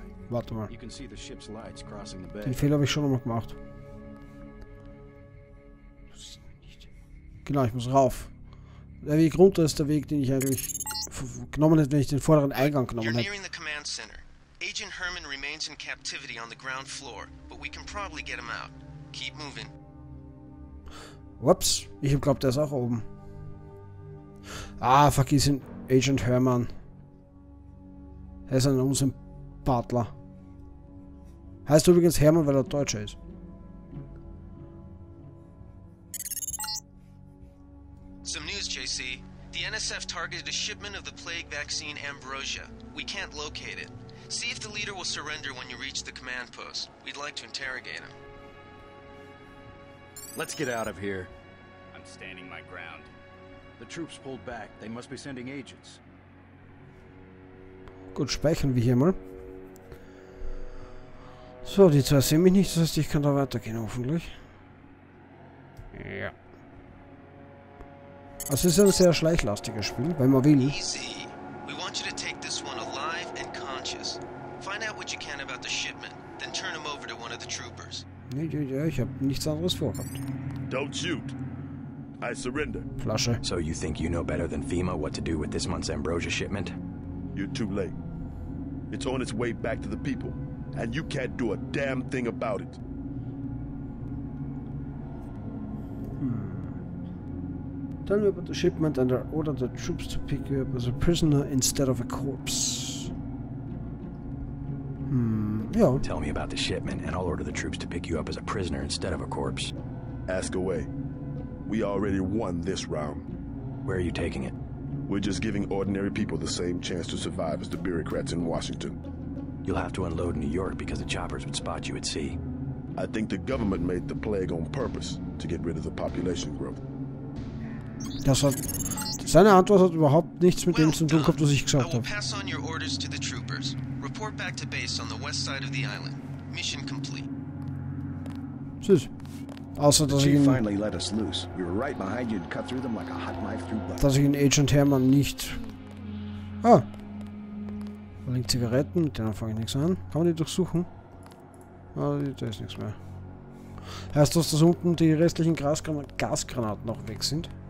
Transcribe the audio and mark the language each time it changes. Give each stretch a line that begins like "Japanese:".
German: Warte mal. Den Fehler habe ich schon einmal gemacht. Genau, ich muss rauf. Der Weg runter ist der Weg, den ich eigentlich genommen hätte, wenn ich den vorderen Eingang genommen hätte.
English: Agent Herman remains in captivity on the ground floor, but we can probably get him out. Keep moving.
German: Whoops, ich glaube, der ist auch oben. Ah, vergiss ihn, Agent Herman. Er ist ein Unsinn-Butler. Heißt übrigens Herman, weil er Deutscher ist.
English: Some news, JC. The NSF targeted a shipment of the plague vaccine Ambrosia. We can't locate it. See if the leader will surrender when you reach the command post. We'd like to interrogate him. Let's get out of here. I'm standing my ground. The troops pulled back. They must be sending agents.
German: Gut, speichern wir hier mal. So, die zwei sehen mich nicht. Das heißt, ich kann da weitergehen, hoffentlich. Ja. Es ist ein sehr schleichlastiges Spiel, wenn man will.
English: Easy. We want you to take this one alive and conscious. Find out what you can about the shipment, then turn him over to one of the troopers.
German: Ja, ich hab nichts anderes vorgehabt.
English: Don't shoot. I surrender.
German: Flasche.
English: So you think you know better than FEMA what to do with this month's Ambrosia shipment? You're too late. It's on its way back to the people, and you can't do a damn thing about it. Tell me about the shipment and order the troops to pick you up as a prisoner instead of a corpse. Yeah. Tell me about the shipment and I'll order the troops to pick you up as a prisoner instead of a corpse. Ask away. We already won this round. Where are you taking it? We're just giving ordinary people the same chance to survive as the bureaucrats in Washington. You'll have to unload in New York because the choppers would spot you at sea. I think the government made the plague on purpose to get rid of the population growth.
German: Das hat, seine Antwort hat überhaupt nichts mit dem zu tun gehabt, was ich gesagt habe.
English: I will pass on your orders to the troopers. Report back to base on the west side of the island. Mission complete.
German: Tschüss. Außer, dass ich ihn...
English: finally let us loose. We were right behind you and cut through them like a hot knife through butter.
German: Dass ich ihn Agent Hermann nicht... Ah! Da liegen Zigaretten, mit denen fange ich nichts an. Kann man die durchsuchen? Ah, da ist nichts mehr. Heißt das, dass unten die restlichen Gasgranaten noch weg sind?